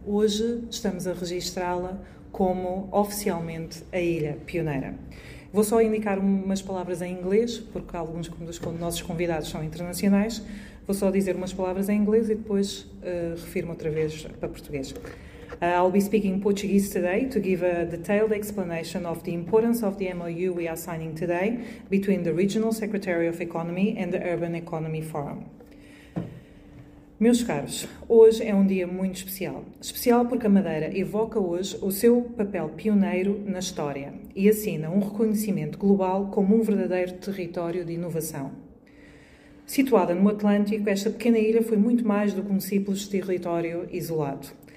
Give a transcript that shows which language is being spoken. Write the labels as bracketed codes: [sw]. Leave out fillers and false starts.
[pt] Hoje estamos a registrá-la como oficialmente a Ilha Pioneira. Vou só indicar umas palavras em inglês, porque alguns dos nossos convidados são internacionais. Vou só dizer umas palavras em inglês e depois refiro-me outra vez para português. [en] I'll be speaking Portuguese today to give a detailed explanation of the importance of the MOU we are signing today between the Regional Secretary of Economy and the Urban Economy Forum. [pt] Meus caros, hoje é um dia muito especial. Especial porque a Madeira evoca hoje o seu papel pioneiro na história e assina um reconhecimento global como um verdadeiro território de inovação. Situada no Atlântico, esta pequena ilha foi muito mais do que um simples território isolado.